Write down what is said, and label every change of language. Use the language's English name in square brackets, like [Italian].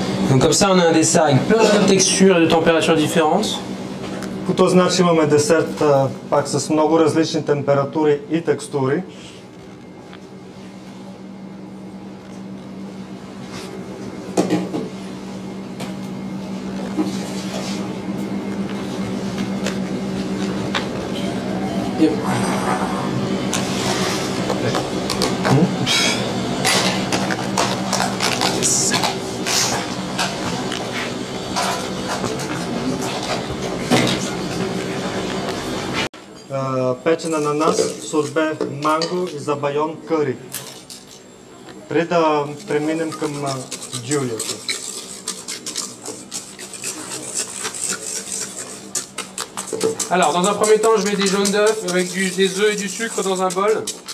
[French] Donc comme ça on a un dessert avec plein de textures et de températures différentes. [Bulgarian] По този начин имаме десерт пак с много различни температури и текстури. Печен ананас, сорбе, манго и забайон къри. Преди да преминем към джулията. [French] Alors, dans un premier temps, je mets des jaunes d'œufs avec des œufs et du sucre dans un bol.